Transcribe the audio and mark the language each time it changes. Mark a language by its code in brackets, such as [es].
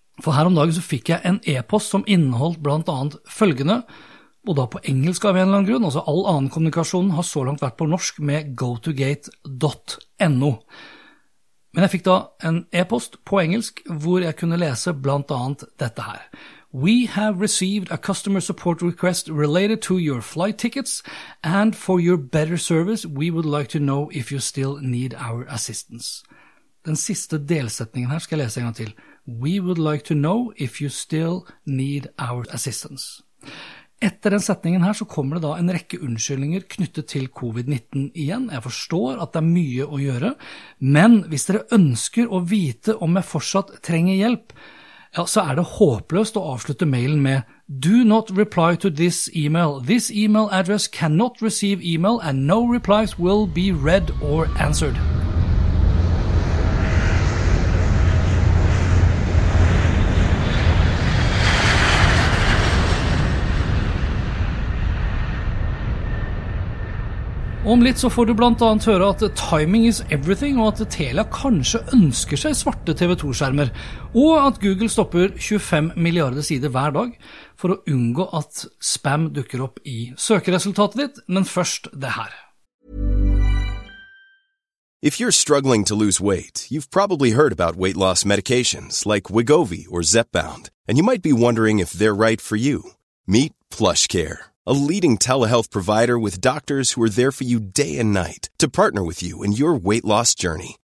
[no] For her om dagen så fikk jeg en e-post som inneholdt blant annet følgende, og da på engelsk av en eller annen grunn, altså all annen kommunikasjon har så langt vært på norsk med gotogate.no. Men jeg fikk da en e-post på engelsk hvor jeg kunne lese blant annet dette her. [en] We have received a customer support request related to your flight tickets and for your better service we would like to know if you still need our assistance. [no] Den siste delsetningen her skal jeg lese en gang til. [en] We would like to know if you still need our assistance. [no] Etter den setningen her så kommer det da en rekke unnskyldninger knyttet til covid-19 igjen. Jeg forstår at det mye å gjøre, men hvis dere ønsker å vite om jeg fortsatt trenger hjelp, ja, så det håpløst å avslutte mailen med [en] Do not reply to this email. This email address cannot receive email and no replies will be read or answered. [no] Om litt så får du blant annet høre at [en] timing is everything, [no] og at Telia kanskje ønsker seg svarte TV2-skjermer, og at Google stopper 25 milliarder sider hver dag for å unngå at spam dukker opp I søkeresultatet ditt, men først det her. [en] If you're struggling to lose weight, you've probably heard about weight loss medications like Wegovy or Zepbound, and you might be wondering if they're right for you. Meet PlushCare, a leading telehealth provider with doctors who are there for you day and night to partner with you in your weight loss journey.